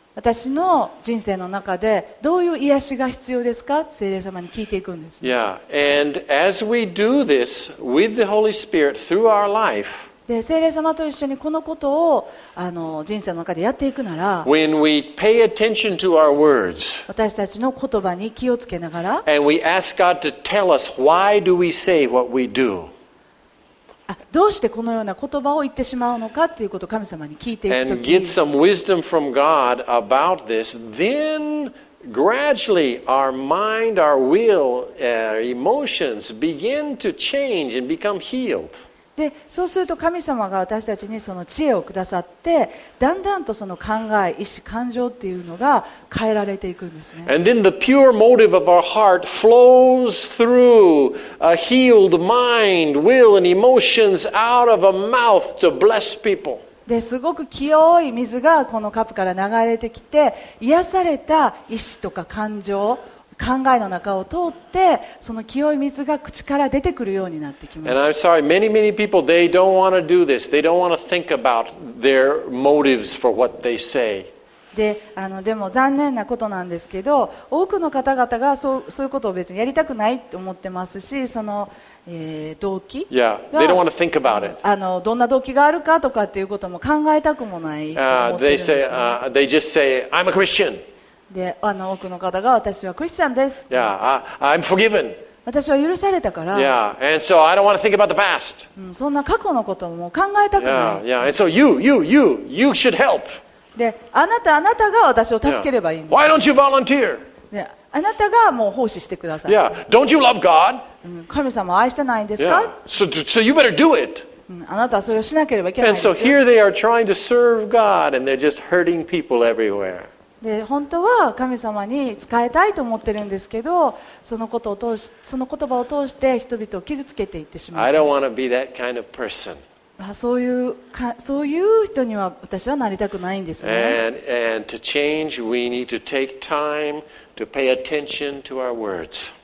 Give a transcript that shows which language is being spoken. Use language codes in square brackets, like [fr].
[ja] 私の人生の中でどういう癒しが必要ですか？聖霊様に聞いていくんです。 [en] Yeah. And as we do this with the Holy Spirit through our life, [ja] で聖霊様と一緒にこのことを人生の中でやっていくなら、 [en] when we pay attention to our words, [ja] 私たちの言葉に気をつけながら、 [en] and we ask God to tell us why do we say what we do. [ja] どうしてこのような言葉を言ってしまうのかっていうことを神様に聞いていくとき、 [en] get some wisdom from God about this, then gradually our mind, our will, our emotions begin to change and become healed. [ja] で、そうすると神様が私たちにその知恵をくださって、だんだんとその考え、意思、感情っていうのが変えられていくんですね。 [en] And then the pure motive of our heart flows through a healed mind, will, and emotions out of a mouth to bless people. [ja] で、すごく清い水がこのカップから流れてきて、癒された意思とか感情、考えの中を通ってその清い水が口から出てくるようになってきます。 [en] And I'm sorry, many, many people, they don't want to do this. They don't want to think about their motives for what they say. [ja] でも残念なことなんですけど、多くの方々がそういうことを別にやりたくないと思ってますし、その、動機が、 [en] yeah. They don't want to think about it. [ja] どんな動機があるかとかっていうことも考えたくもないと思ってるんですね。 [en] They just say, I'm a Christian. [ja] で、多くの方が私はクリスチャンです。 [en] Yeah. I'm forgiven. [ja] 私は許されたから。 [en] Yeah, and so I don't want to think about the past. [ja] そんな過去のことも考えたくない。 [en] Yeah, yeah. And so you should help. [ja] で、あなたが私を助ければいいんだ。 [en] Why don't you volunteer? [ja] で、あなたがもう奉仕してください。 [en] Yeah, don't you love God? [ja] 神様を愛してないんですか？ [en] Yeah, so you better do it. [ja] あなたはそれをしなければいけないんですよ。 [en] And so here they are trying to serve God, and they're just hurting people everywhere. [ja] で本当は神様に仕えたいと思ってるんですけど、その言葉を通して人々を傷つけていってしまう。 [en] I don't want to be that kind of person. [ja] そういう人には私はなりたくないんですね。 [en] And to change, we need to take time to pay attention to our words.